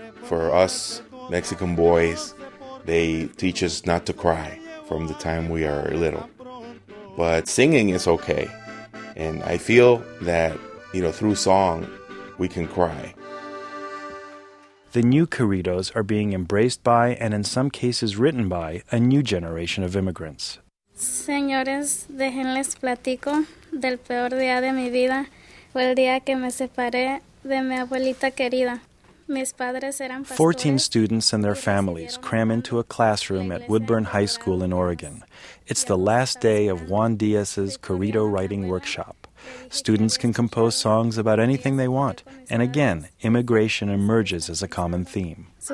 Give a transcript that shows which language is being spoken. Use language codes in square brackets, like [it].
[en] For us Mexican boys, they teach us not to cry from the time we are little. But singing is okay. And I feel that, through song, we can cry. the new corridos are being embraced by, and in some cases written by, a new generation of immigrants. [es] Señores, déjenles platico del peor día de mi vida, o el día que me separé de mi abuelita querida. [en] 14 students and their families cram into a classroom at Woodburn High School in Oregon. It's the last day of Juan Diaz's corrido writing workshop. Students can compose songs about anything they want, and again, immigration emerges as a common theme.